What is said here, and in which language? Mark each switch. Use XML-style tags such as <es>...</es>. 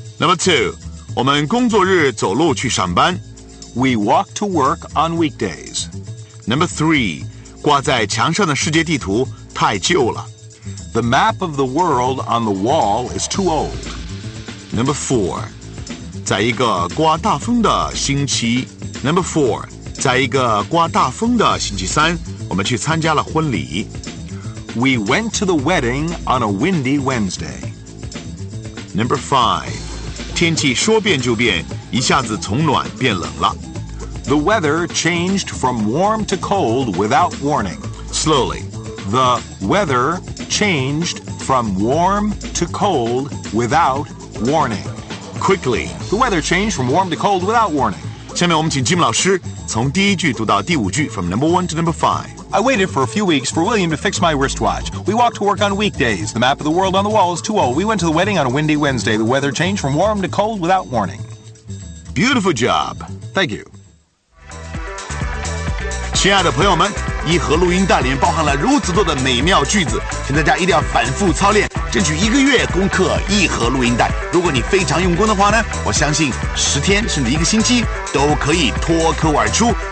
<en>Number two,</en> <zh>我们工作日走路去上班。</zh> <en>We walk to work on weekdays. Number three,</en> <zh>挂在墙上的世界地图太旧了。</zh> <en>The map of the world on the wall is too old. Number four,</en> <zh>在一个刮大风的星期。</zh> <en>Number four,</en> <zh>在一个刮大风的星期三，我们去参加了婚礼。</zh> <en>We went to the wedding on a windy Wednesday. Number five,</en> <zh>天气说变就变，一下子从暖变冷了。</zh> <en>The weather changed from warm to cold without warning. Slowly. The weather changed from warm to cold without warning. Quickly. The weather changed from warm to cold without warning.</en> <zh>下面我们请 Jim 老师从第一句读到第五句</zh> <en>from number one to number five. I waited for a few weeks for William to fix my wristwatch. We walked to work on weekdays. The map of the world on the wall is too old. We went to the wedding on a windy Wednesday. The weather changed from warm to cold without warning. Beautiful job. Thank you.</en> <zh>亲爱的朋友们，一盒录音带里面包含了如此多的美妙句子，请大家一定要反复操练，争取一个月攻克一盒录音带。如果你非常用功的话呢，我相信十天甚至一个星期都可以脱口而出。</zh>